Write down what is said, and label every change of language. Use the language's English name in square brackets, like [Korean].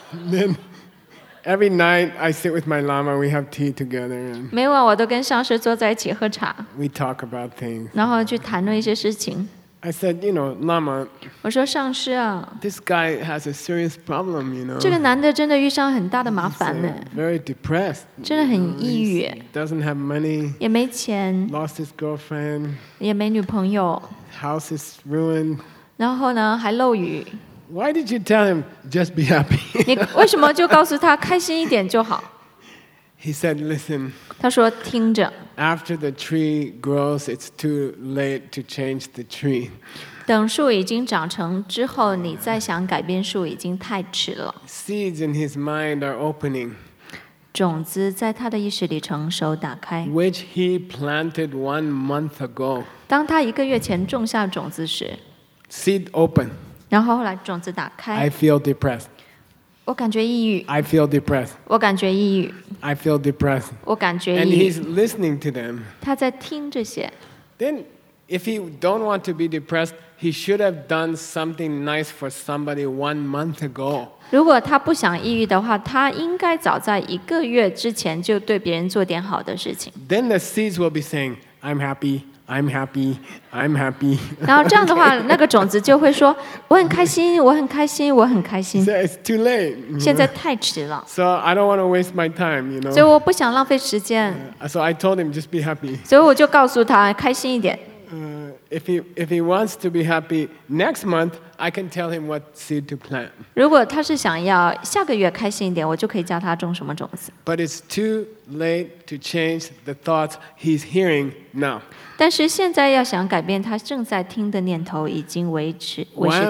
[English] Then every night I sit with my lama. We have tea together. [Chinese] 每晚我都跟上师坐在一起喝茶。 [English] We talk about things. [Chinese] 然后去谈论一些事情。 [English] I said, you know, lama. [Chinese] 我说上师啊。 [English] This guy has a serious problem, you know. [Chinese] 这个男的真的遇上很大的麻烦呢。 [English] Very depressed. [Chinese] 真的很抑郁。 [English] Doesn't have money. [Chinese] 也没钱。 [English] Lost his girlfriend. [Chinese] 也没女朋友。 [English] House is ruined. [Chinese] 然后呢，还漏雨。 [English] Why did you tell him just be happy? [Chinese] 你为什么就告诉他开心一点就好 [English] ？He said, "Listen." [Chinese] 他说听着。 [English] After the tree grows, it's too late to change the tree. [Chinese] 等树已经长成之后，你再想改变树已经太迟了。 [English] Seeds in his mind are opening. [Chinese] 种子在他的意识里成熟打开。 [English] Which he planted 1 month ago. [Chinese] 当他一个月前种下种子时 [English] ，seed open， [Chinese] 然后后来种子打开 [English] ，I feel depressed， [Chinese] 我感觉抑郁 [English] ，I feel depressed， [Chinese] 我感觉抑郁 [English] ，I feel depressed， [Chinese] 我感觉抑郁 [English] ，and he's listening to them， [Chinese] 他在听这些 [English] ，then if he don't want to be depressed， he should have done something nice for somebody 1 month ago。 [Chinese] 如果他不想抑郁的话，他应该早在一个月之前就对别人做点好的事情。 [English] Then the seeds will be saying， I'm happy。 I'm happy. I'm happy. [Chinese] 然后这样的话，那个种子就会说：“我很开心，我很开心，我很开心。” [English] So it's too late. [Chinese] 现在太迟了。 [English] So I don't want to waste my time, you know. [Chinese] 所以我不想浪费时间。 [English] So I told him just be happy. [Chinese] 所以我就告诉他开心一点。 [English] If he wants to be happy next month, I can tell him what seed to plant. [Chinese] 如果他是想要下个月开心一点，我就可以教他种什么种子。 [English] But it's too late to change the thoughts he's hearing now. [Chinese] 但是现在要想改变他正在听的念头，已经为时太晚。